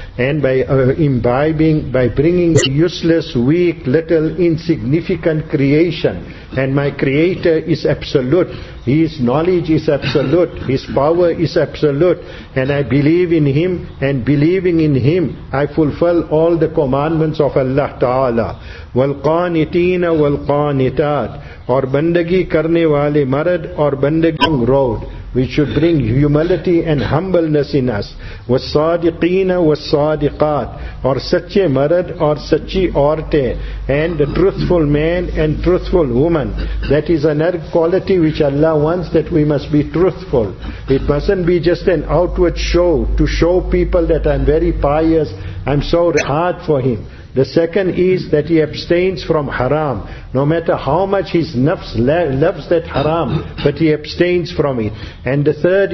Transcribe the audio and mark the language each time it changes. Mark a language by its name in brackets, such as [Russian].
[English] And by imbibing, by bringing useless, weak, little, insignificant creation. And my Creator is absolute. His knowledge is absolute. His power is absolute. And I believe in Him. And believing in Him, I fulfill all the commandments of Allah Ta'ala. [Arabic] وَالْقَانِتِينَ وَالْقَانِتَاتِ [Urdu] اور بندگی کرنے والے مرد اور بندگی road. [English] We should bring humility and humbleness in us. [Arabic] وَالصَّادِقِينَ وَالصَّادِقَاتِ [Urdu] اور سچے مرد اور سچی عورتیں. [English] And the truthful man and truthful woman. That is another quality which Allah wants, that we must be truthful. It mustn't be just an outward show to show people that I'm very pious, I'm so hard for Him. The second is that he abstains from haram. No matter how much his nafs loves that haram, but he abstains from it. And the third is